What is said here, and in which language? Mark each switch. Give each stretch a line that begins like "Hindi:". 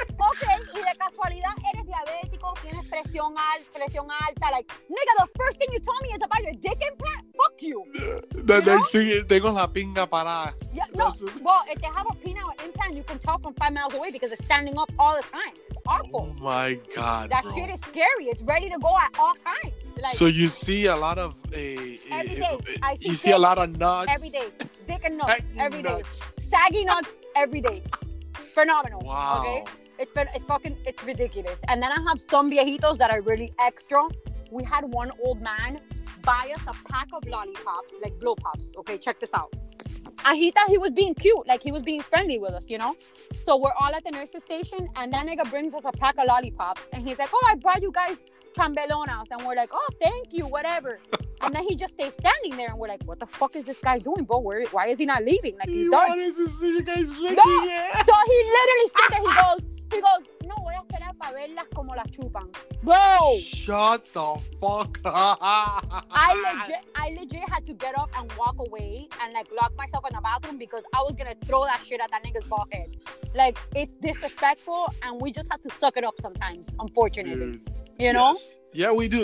Spanish: Okay, y de casualidad, eres diabético, tienes presión alta.
English: Like, nigga, the first thing you told me is about your dick implant? Fuck you.
Spanish: Tengo la pinga parada.
English: Yeah, no, well, if they have a penile implant, you can tell from 5 miles away because it's standing up all the time. Awful. Oh my god, that bro. Shit is scary. It's ready to go at all times. Like, so you see a lot of every day, I see a lot of nuts every day, dick and nuts every day, saggy nuts every day. Phenomenal. Wow. Okay, it's ridiculous. And then I have some viejitos that are really extra. We had one old man buy us a pack of lollipops, like blow pops. Okay, check this out. And he thought he was being cute, like he was being friendly with us, you know? So we're all at the nurse's station, and that nigga brings us a pack of lollipops. And he's like, oh, I brought you guys chambelonas. And we're like, oh, thank you, whatever. And then he just stays standing there, and we're like, what the fuck is this guy doing, bro? Why is he not leaving? Like, he's done. He wanted to see you guys licking it. So he literally stays there. He goes,
Spanish: no, voy a esperar para verlas como las chupan.
English: Bro! Shut the fuck up. I legit had to get up and walk away and, like, lock myself in the bathroom because I was going to throw that shit at that nigga's bald head. Like, it's disrespectful, and we just have to suck it up sometimes, unfortunately. Dude. You know? Yes. Yeah, we do.